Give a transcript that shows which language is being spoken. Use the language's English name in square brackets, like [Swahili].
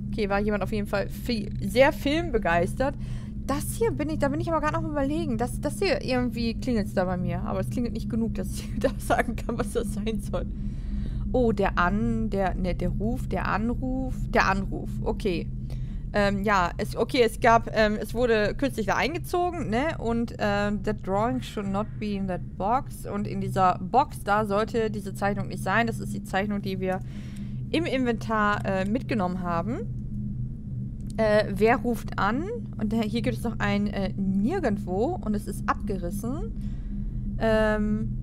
[German] Okay, war jemand auf jeden Fall sehr filmbegeistert. Das hier bin ich aber gerade noch überlegen. Das hier irgendwie klingelt es da bei mir. Aber es klingelt nicht genug, dass ich da sagen kann, was das sein soll. Oh, der Anruf. Okay. Es wurde kürzlich da eingezogen, ne? [English] Und that drawing should not be in that box. [German] Und in dieser Box, da sollte diese Zeichnung nicht sein. Das ist die Zeichnung, die wir im Inventar mitgenommen haben. Wer ruft an? Und hier gibt es noch ein Nirgendwo und es ist abgerissen.